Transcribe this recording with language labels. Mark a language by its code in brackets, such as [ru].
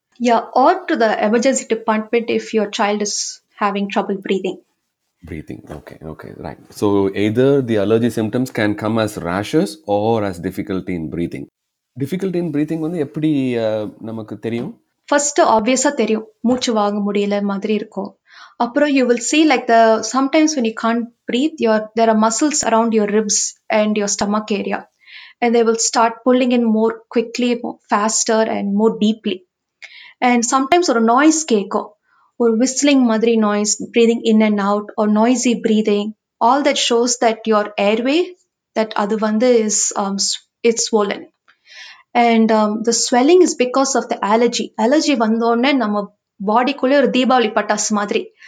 [en] You are to the emergency department if your child is having trouble breathing Breathing. Okay. Okay. Right. So either the allergy symptoms can come as rashes or as difficulty in breathing. Difficulty in breathing [ta] வந்து எப்படி நமக்கு தெரியும்? [en] First, obviously [ta] தெரியும். மூச்சு வாங்க முடியல மாதிரி இருக்கும். அப்புறம் [en] you will see like the sometimes when you can't breathe, there are muscles around your ribs and your stomach area. And they will start pulling in more quickly, more faster and more deeply. And sometimes [ta] ஒரு [en] noise [ta] கேட்கும். [en] Or whistling [ta] madri [en] noise, breathing in and out, or noisy breathing, all that shows that your airway, that [ta] adhuvandhu [en] is it's swollen. And the swelling is because of the allergy. Allergy [ta] vandhonne nama body kulle or deepavali pattas madri.